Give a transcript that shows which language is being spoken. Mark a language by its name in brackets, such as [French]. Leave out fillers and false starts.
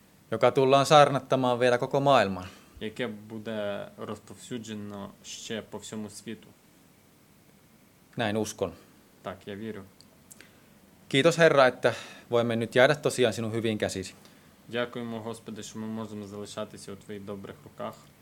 [Finnish] Joka tullaan saarnattamaan vielä koko maailman. [Ukrainian] Яке буде розповсюджено ще по всьому світу. [Finnish] Näin uskon. [Ukrainian] Так, я вірю. [Finnish] Kiitos Herra, että voimme nyt jäädä tosiaan sinun hyvin käsisi. [Ukrainian] Дякуємо, Господи, що ми можемо залишатися у твоїх добрих руках.